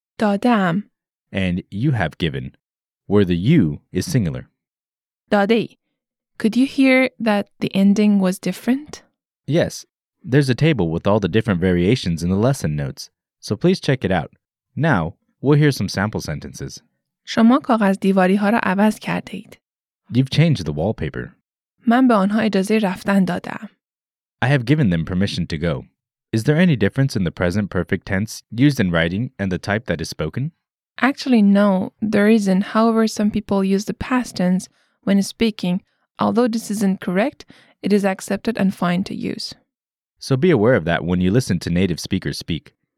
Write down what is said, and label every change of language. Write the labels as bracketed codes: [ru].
[fa] دادم. [en] And you have given, where the you is singular. [fa] داده. [en] Could you hear that the ending was different? Yes. There's a table with all the different variations in the lesson notes, so please check it out. Now, we'll hear some sample sentences. [fa] شما کاغذ دیواری ها را عوض کرده اید. [en] You've changed the wallpaper. [fa] من به آنها اجازه رفتن دادم. [en] I have given them permission to go. Is there any difference in the present perfect tense used in writing and the type that is spoken? Actually, no, there isn't. However, some people use the past tense when speaking. Although this isn't correct, it is accepted and fine to use. So be aware of that when you listen to native speakers speak.